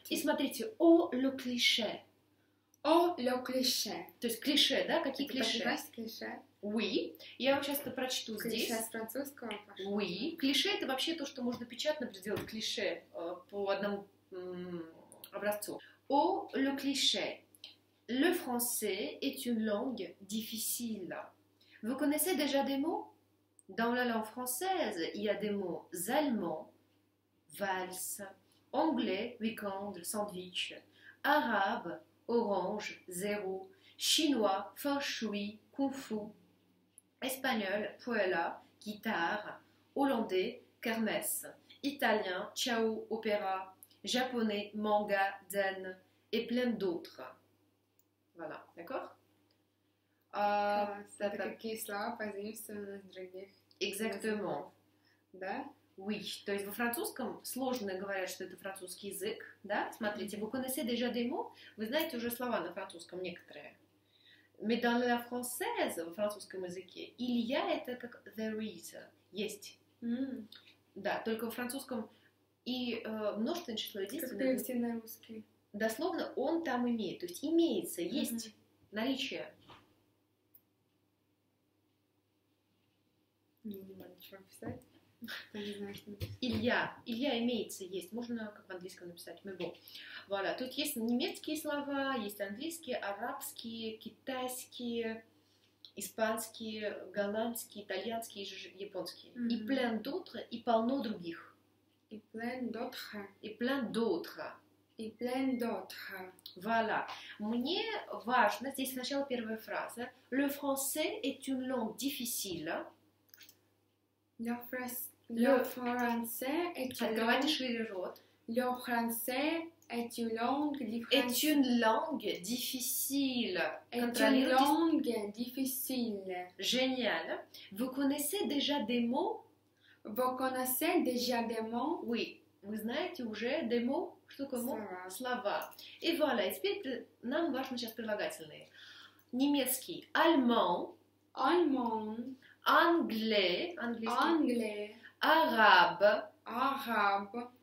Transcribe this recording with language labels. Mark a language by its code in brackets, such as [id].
[ru] И смотрите, [fr] о, ле клише. О, ле клише. [ru] То есть клише, да? Какие клише? Это подвязь клише. Oui. Я вам сейчас это прочту клише здесь. Клише с французского пошло. [fr] Oui. [ru] Клише это вообще то, что можно печатно сделать клише по одному образцу. [fr] О, ле клише. Le français est une langue difficile. Vous connaissez déjà des mots? Dans la langue française, il y a des mots allemands, valse, anglais, weekend, sandwich, arabe, orange, zéro, chinois, feng shui, kung fu, espagnol, puella, guitare, hollandais, kermesse, italien, ciao, opéra, japonais, manga, zen, et plein d'autres. Voilà, d'accord? Ça fait quelque chose pas juste dans других. Exactement. [ru] Да? Oui, то есть во французском сложно говорят, что это французский язык, да? [fr] Смотрите, vous connaissez déjà des mots? [ru] Вы знаете уже слова на французском некоторые. [fr] Mais dans la française, [ru] во французском языке, [fr] il y a [ru] это как [en] there is. [ru] Есть. Mm. Да, только во французском и множественное число единственное. Как перевести на русский? Дословно он там имеет, то есть имеется, есть mm-hmm. наличие. Не понимаю, что писать. Илья. Илья имеется, есть. Можно как в английском написать. Мы был. Voilà. Тут есть немецкие слова, есть английские, арабские, китайские, испанские, голландские, итальянские, японские. Mm-hmm. И [fr] plein d'autres, [ru] и полно других. [fr] И plein d'autres. И plein d'autres. И plein d'autres. Voilà. [ru] Мне важно, здесь сначала первая фраза. [fr] Le français est une langue difficile. Le français est une [ru] langue... Открывайте шире рот. [fr] Le français est une langue difficile. Est une langue difficile. Est une langue difficile. Génial. Vous connaissez déjà des mots? Vous connaissez déjà des mots? Oui. [ru] Вы знаете уже [fr] des mots? [ru] Что такое слова. Слова. И вуаля, теперь нам важно сейчас прилагательные. Немецкий. Альман. Альман. Англей. Английский. Англей. Араб. Араб.